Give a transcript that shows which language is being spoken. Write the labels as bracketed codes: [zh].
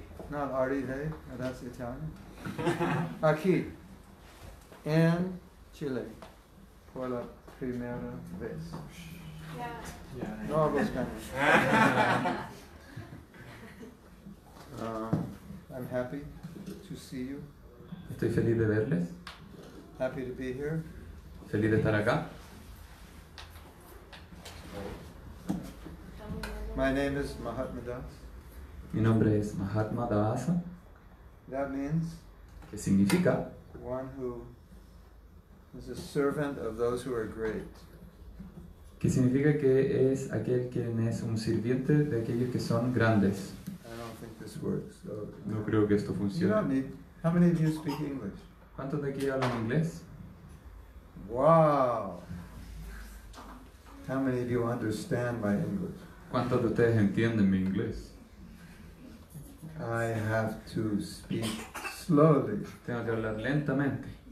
[en] Not arrive, that's Italian. [es] Aquí, en Chile, por la primera vez. No hablo español. [en] I'm happy to see you. [es] Estoy feliz de verles. [en] Happy to be here. [es] Feliz de estar acá. [en] My name is Mahatma Das. [es] Mi nombre es Mahatma Dasa. [en] That means. [es] ¿Qué significa? [en] One who is a servant of those who are great. [es] ¿Qué significa que es aquel quien es un sirviente de aquellos que son grandes? [en] I don't think this works, so, [es] no creo que esto funcione. [en] You don't need, how many of you speak English? [es] ¿Cuántos de aquí hablan inglés? [en] Wow. How many of you understand my English? [es] ¿Cuántos de ustedes entienden mi inglés? [en] I have to speak slowly. [es] Tengo que hablar lentamente.